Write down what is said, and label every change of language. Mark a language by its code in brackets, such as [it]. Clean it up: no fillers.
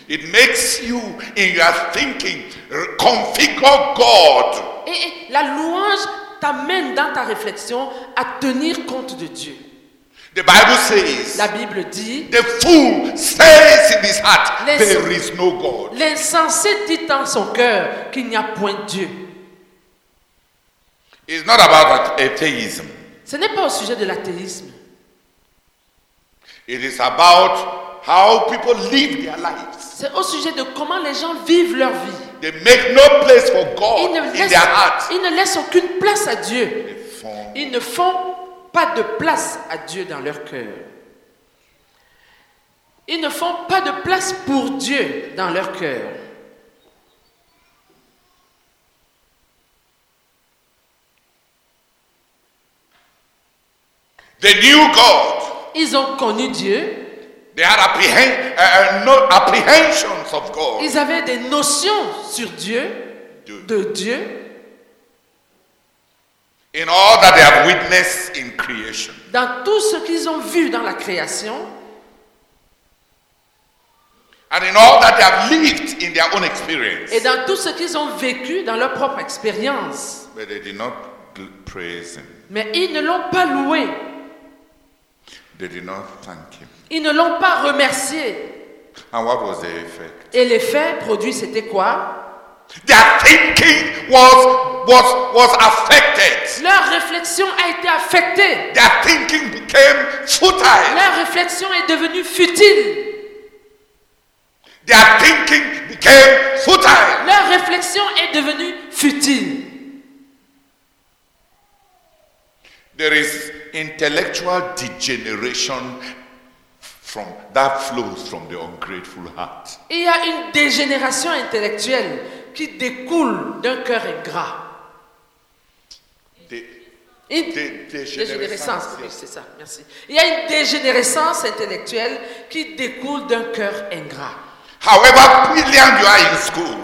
[en] It makes you, in your thinking, configure God. [fr] Et la louange t'amène dans ta réflexion à tenir compte de Dieu. [en] The Bible says, [fr] la Bible dit, [en] the fool says in his heart, there is no God. [fr] L'insensé dit dans son cœur qu'il n'y a point Dieu. [en] It's not about atheism. [fr] Ce n'est pas au sujet de l'athéisme. [en] It is about how people live their lives. [fr] C'est au sujet de comment les gens vivent leur vie. [en] They make no place for God in their heart. [fr] Ils ne laissent aucune place à Dieu. Ils ne font pas de place à Dieu dans leur cœur. Ils ne font pas de place pour Dieu dans leur cœur. [en] The new God. [fr] Ils ont connu Dieu. [en] They had apprehensions of God. [fr] Ils avaient des notions sur Dieu, de Dieu. [en] In all that they have witnessed in creation. [fr] Dans tout ce qu'ils ont vu dans la création. [en] And in all that they have lived in their own experience. [fr] Et dans tout ce qu'ils ont vécu dans leur propre expérience. [en] But they did not praise him. [fr] Mais ils ne l'ont pas loué. [en] They did not thank him. [fr] Ils ne l'ont pas remercié. [en] And what was the effect? [fr] Et l'effet produit, c'était quoi? [en] Their thinking was affected. [fr] Leur réflexion a été affectée. [en] Their thinking became futile. [fr] Leur réflexion est devenue futile. [en] Their thinking became futile. [fr] Leur réflexion est devenue futile. [en] There is intellectual degeneration from that flows from the ungrateful heart. [fr] Il y a une dégénération intellectuelle qui découle d'un cœur ingrat. Dégénérescence, oui, c'est ça. Merci. Il y a une dégénérescence intellectuelle qui découle d'un cœur ingrat. [en] However brilliant you are in school.